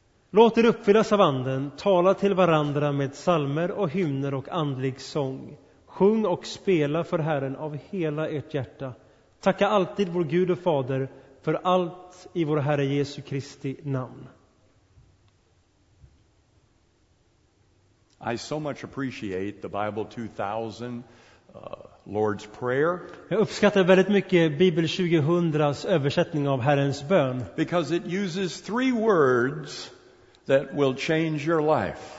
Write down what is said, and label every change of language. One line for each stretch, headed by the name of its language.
Swedish: Låt er uppfyllas av anden. Tala till varandra med psalmer och hymner och andlig sång. Sjung och spela för Herren av hela ert hjärta. Tacka alltid vår Gud och Fader för allt i vår Herre Jesu Kristi namn.
English: I so much appreciate the Bible 2000 Lord's Prayer.
Swedish: Jag uppskattar väldigt mycket Bibel 2000:s översättning av Herrens bön.
English: Because it uses three words that will change your life.